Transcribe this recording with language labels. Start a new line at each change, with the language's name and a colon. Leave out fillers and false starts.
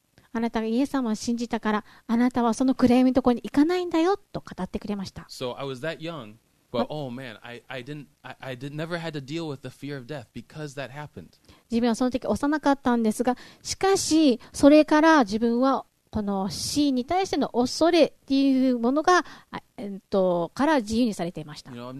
Japanese: あなたがイエス様を信じたからあなたはその暗闇のところに行かないんだよと語ってくれました。
English: So I was that young, but oh man, I never had to deal with the fear of death because that happened.
Japanese: 自分はその時幼かったんですが、しかしそれから自分はこの死に対しての恐れっていうものがから自由にされていました。